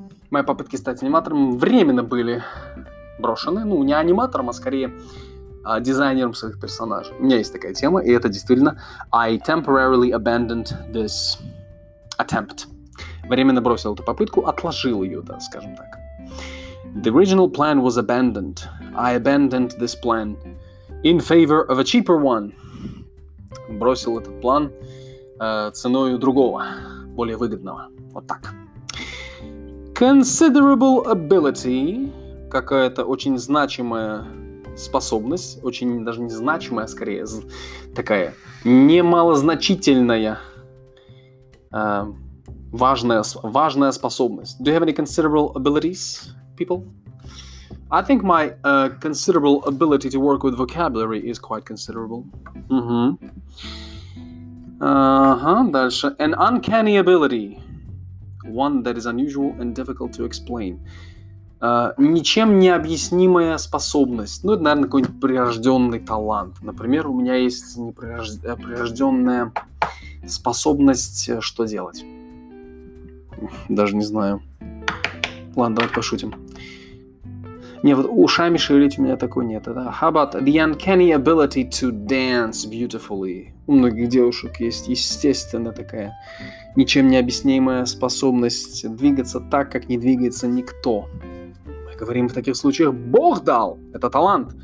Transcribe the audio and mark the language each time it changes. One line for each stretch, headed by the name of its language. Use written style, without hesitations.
Russian: Мои попытки стать аниматором временно были брошены. Ну, не аниматором, а скорее дизайнером своих персонажей. У меня есть такая тема, и это действительно
English: I temporarily abandoned this attempt.
Russian: Временно бросил эту попытку, отложил ее, да, скажем так.
English: The original plan was abandoned. I abandoned this plan in favor of a cheaper one.
Russian: Бросил этот план ценой другого, более выгодного. Вот так.
English: Considerable ability.
Russian: Какая-то очень значимая способность. Очень даже не значимая, а скорее такая немалозначительная важная способность.
English: Do you have any considerable abilities, people? I think my considerable ability to work with vocabulary is quite considerable.
Russian: Дальше.
English: An uncanny ability. One that is unusual and difficult to explain.
Russian: Ничем не объяснимая способность. Ну, это, наверное, какой-нибудь прирожденный талант. Например, у меня есть прирожденная способность что делать? Даже не знаю. Ладно, давайте пошутим. Не, вот ушами шевелить у меня такой нет. Да?
English: How about the uncanny ability to dance beautifully?
Russian: У многих девушек есть естественная такая ничем не объяснимая способность двигаться так, как не двигается никто. Мы говорим в таких случаях, Бог дал это талант.